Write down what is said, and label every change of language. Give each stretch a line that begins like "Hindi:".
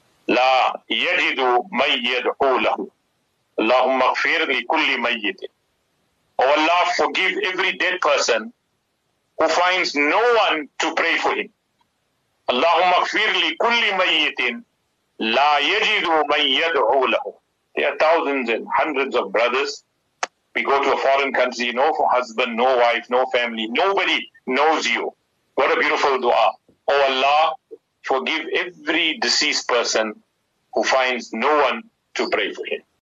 Arabic: لا يجد من يدعو له اللهم اغفر لكل ميت.
English: Oh Allah, forgive every dead person who finds no one to pray for him.
Arabic: اللهم اغفر لكل ميت لا يجد من يدعو له.
English: There are thousands and hundreds of brothers. We go to a foreign country, no husband, no wife, no family, nobody knows you. What a beautiful dua. Oh Allah, forgive every deceased person who finds no one to pray for him.